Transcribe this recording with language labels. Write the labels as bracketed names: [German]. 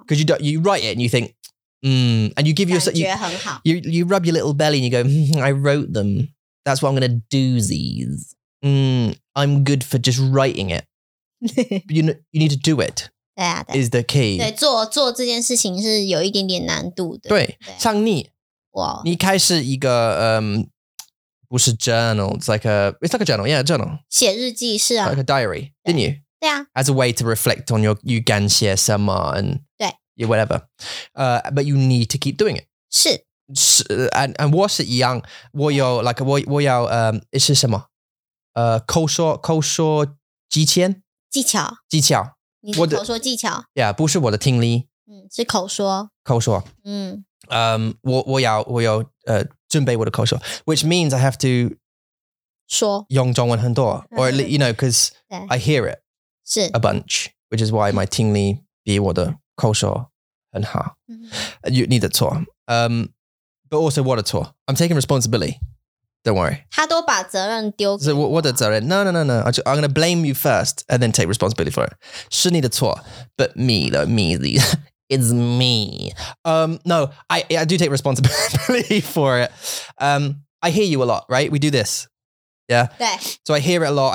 [English] Because you don't. You write it and you think, and you give yourself. [Chinese] 感觉很好. [English] You rub your little belly and you go, I wrote them. That's why I'm gonna do these. I'm good for just writing it. But you know, you need to do it. [Chinese] 对啊, [English] is the key. [Chinese] 对,做这件事情是有一点点难度的。对,像你,你开始一个, [English] journal, it's like a journal, yeah, a journal. [Chinese] 写日记,是啊。 [English] Like a diary, didn't you? [Chinese] 对啊。 [English] As a way to reflect on you [Chinese] 感谢什么, [English] and yeah, whatever. But you need to keep doing it. [Chinese] 是。 And 我是一样, 我有, [English] like, [Chinese] 我要, 是什么? 口说几千? 技巧。你是口说技巧? Yeah, 不是我的听力, 是口说。我要 准备我的口说, [English] which means I have to [Chinese] 说用中文很多, [English] or, you know, because I hear it [Chinese] 是, [English] a bunch, which is why my [Chinese] 听力比我的口说很好, [English] you need a tour. But also [Chinese] 我的错, [English] I'm taking responsibility, don't worry. [Chinese] 他都把责任丢给我。我的责任, [English] no. I'm going to blame you first and then take responsibility for it. [Chinese] 是你的错, [English] but me though, me, it's me. No, I do take responsibility for it. I hear you a lot, right? We do this. Yeah. [Chinese] 对。 [English] So I hear it a lot.